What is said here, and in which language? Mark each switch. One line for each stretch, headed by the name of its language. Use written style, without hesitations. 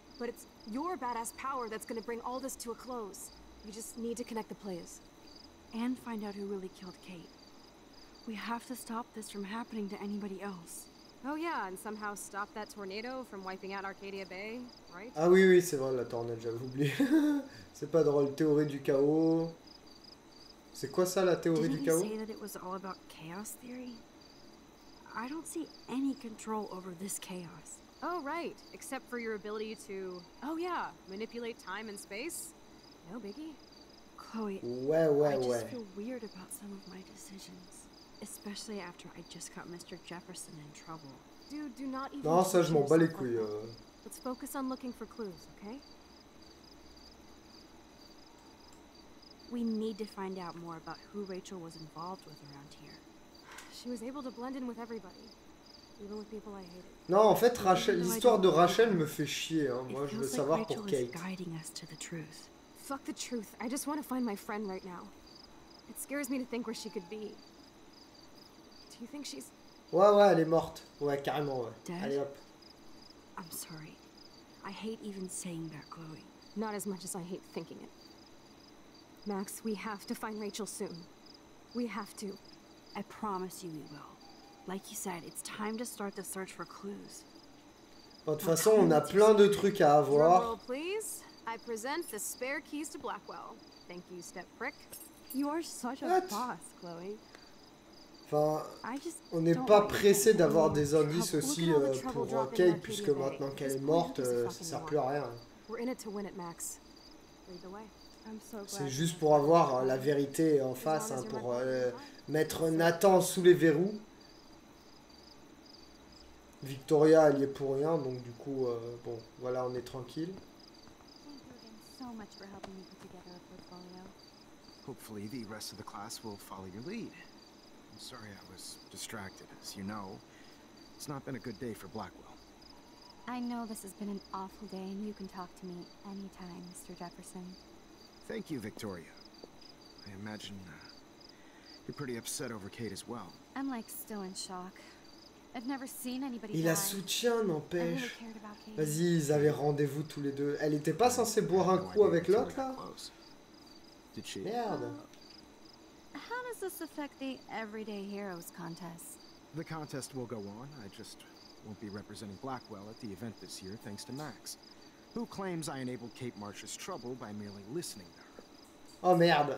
English: But it's your badass power that's gonna bring all this to a close. You just need to connect the players and find out who really killed Kate. We have to stop this from happening to anybody else. Oh yeah, and somehow stop that tornado from wiping out Arcadia Bay, right?
French: Ah oui, c'est vrai, la tornade, j'avais oublié. C'est pas drôle, théorie du chaos. C'est quoi ça, la théorie du chaos?
English: Did you say that it was all about chaos theory? I don't see any control over this chaos. Oh right, except for your ability to, oh yeah, manipulate time and space. No biggie. Chloe,
French: ouais.
English: I just feel weird about some of my decisions, especially after I just got Mr. Jefferson in trouble. Dude, do not even.
French: Non, ça je m'en bats les couilles.
English: Let's focus on looking for clues, okay? We need to find out more about who Rachel was involved with around here. She was able to blend in with everybody, even with people I hated.
French: Non, en fait, Rachel, l'histoire de Rachel me fait chier. Hein. Moi, je veux savoir pour Kate.
English: Guiding us to the truth. Fuck the truth. I just want to find my friend right now. It scares me to think where she could be. Do you think she's?
French: Ouais, elle est morte. Ouais, carrément. Ouais.
English: Dead?
French: Allez hop.
English: I'm sorry. I hate even saying that, Chloe. Not as much as I hate thinking it. Max, we have to find Rachel soon. We have to. I promise you we will. Like you said, it's time to start the search for clues.
French: De toute façon, on a plein de trucs à avoir.
English: Drum roll, please. I present the spare keys to Blackwell. Thank you, step prick. You are such a boss, Chloe.
French: Enfin, on n'est pas pressé d'avoir des indices aussi pour Kate, puisque maintenant qu'elle est morte, ça sert plus à rien.
English: We're in it to win it, Max. Lead the way.
French: C'est juste pour avoir la vérité en face, hein, pour mettre Nathan sous les verrous. Victoria, elle y est pour rien, donc du coup, bon, voilà, on est tranquille.
English: Hopefully, the rest of the class will follow your lead. I'm sorry I was distracted. As you know, it's not been a good day for Blackwell. I know this has been an awful day, and you can talk to me anytime, Mr. Jefferson. Thank you, Victoria. I imagine you're pretty upset over Kate as well. I'm like still in shock. I've never seen anybody.
French: Il la soutient, n'empêche. Vas-y, ils avaient rendez-vous tous les deux. Elle n'était pas censée boire un coup avec l'autre là.
English: Did she?
French: Merde.
English: How does this affect the Everyday Heroes contest? The contest will go on. I just won't be representing Blackwell at the event this year, thanks to Max. Who claims I enabled Kate Marsh's trouble by merely listening to her?
French: Oh merde.